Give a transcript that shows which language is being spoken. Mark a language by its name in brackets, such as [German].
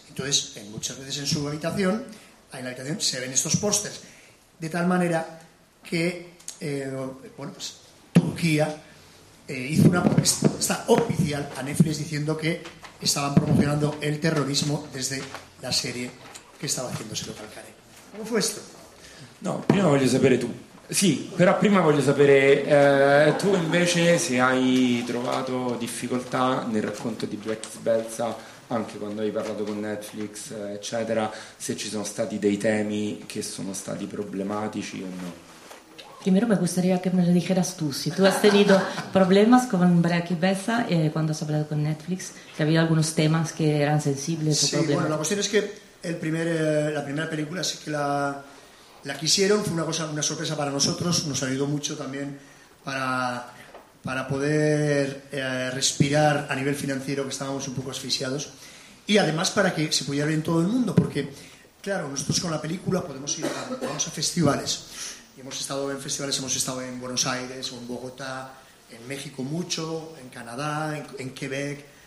[Spanish] Entonces, muchas veces en su habitación, en la habitación se ven estos pósters, de tal manera que Turquía hizo una propuesta oficial a Netflix diciendo que estaban promocionando el terrorismo desde la serie que estaba haciendo Sero Calcare. ¿Cómo fue esto? [Italian] No, prima voglio sapere tú. [Spanish] Sí, pero [Italian] prima voglio sapere tú, invece, si hai trovato difficoltà nel racconto di Black Belza. Anche quando hai parlato con Netflix, eccetera, se ci sono stati dei temi che sono stati problematici o no. [Spanish] Primero me gustaría que me lo dijeras tú, si tú has tenido problemas con Breaking Bad cuando has hablado con Netflix, si había algunos temas que eran sensibles o problemas. Sí, bueno, la cuestión es que la primera película sí que la quisieron, fue una sorpresa para nosotros, nos ayudó mucho también para poder respirar a nivel financiero, que estábamos un poco asfixiados, y además para que se pudiera ver en todo el mundo, porque, claro, nosotros con la película podemos ir a festivales, y hemos estado en festivales, hemos estado en Buenos Aires, o en Bogotá, en México mucho, en Canadá, en Quebec,